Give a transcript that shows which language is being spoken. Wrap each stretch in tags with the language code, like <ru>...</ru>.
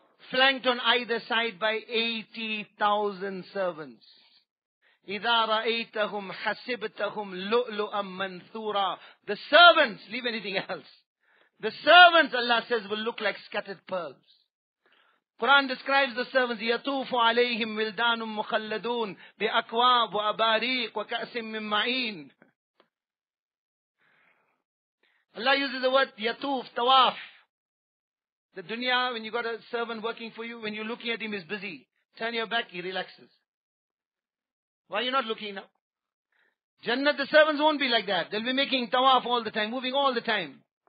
<en>Flanked on either side by 80,000 servants.</en> <ar>إِذَا رَأَيْتَهُمْ حَسِبْتَهُمْ لُؤْلُؤًا مَنْثُورًا.</ar> <en>The servants, leave anything else. The servants, Allah says, will look like scattered pearls. Quran describes the servants,</en> <ar>يَطُوفُ عَلَيْهِمْ وِلْدَانٌ مُخَلَّدُونَ بِأَكْوَابُ وَأَبَارِيقُ وَكَأْسٍ مِّن مَعِينٌ.</ar> <en>Allah uses the word يَطُوف, تَوَاف. The dunya, when you got a servant working for you, when you're looking at him, he's busy. Turn your back, he relaxes. Why are you not looking now? Jannah, the servants won't be like that. They'll be making tawaf all the time, moving all the time.</en>